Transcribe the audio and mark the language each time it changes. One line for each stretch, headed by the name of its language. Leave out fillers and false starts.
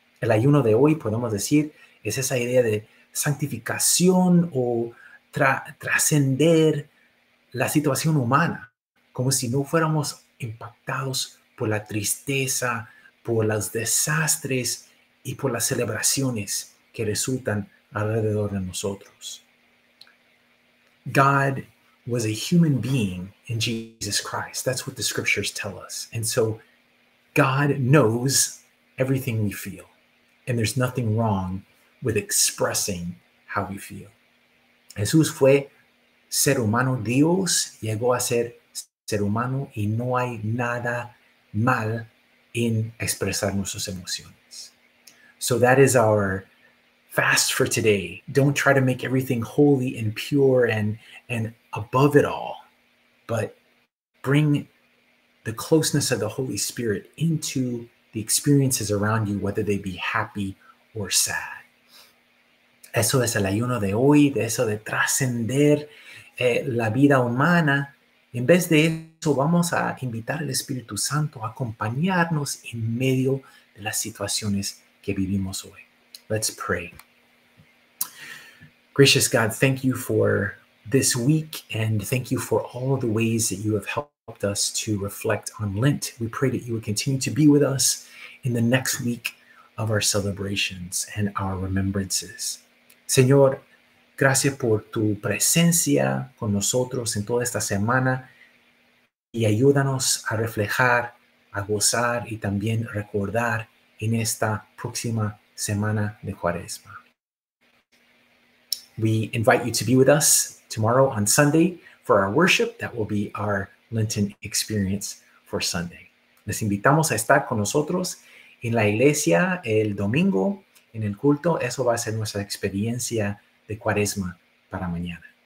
Spanish: El ayuno de hoy, podemos decir, es esa idea de santificación o trascender la situación humana, como si no fuéramos impactados por la tristeza, por los desastres y por las celebraciones que resultan alrededor de nosotros.
English: God was a human being in Jesus Christ. That's what the scriptures tell us. And so God knows everything we feel. And there's nothing wrong with expressing how we feel.
Spanish: Jesús fue ser humano. Dios llegó a ser ser humano. Y no hay nada mal en expresar nuestras emociones.
English: So that is our fast for today. Don't try to make everything holy and pure and above it all, but bring the closeness of the Holy Spirit into the experiences around you, whether they be happy or sad.
Spanish: Eso es el ayuno de hoy, de eso de trascender la vida humana. En vez de eso, vamos a invitar al Espíritu Santo a acompañarnos en medio de las situaciones que vivimos hoy.
English: Let's pray. Gracious God, thank you for this week, and thank you for all the ways that you have helped us to reflect on Lent. We pray that you would continue to be with us in the next week of our celebrations and our remembrances.
Spanish: Señor, gracias por tu presencia con nosotros en toda esta semana, y ayúdanos a reflejar, a gozar y también recordar en esta próxima semana de Cuaresma.
English: We invite you to be with us tomorrow on Sunday for our worship. That will be our Lenten experience for Sunday.
Spanish: Les invitamos a estar con nosotros en la iglesia el domingo, en el culto. Eso va a ser nuestra experiencia de Cuaresma para mañana.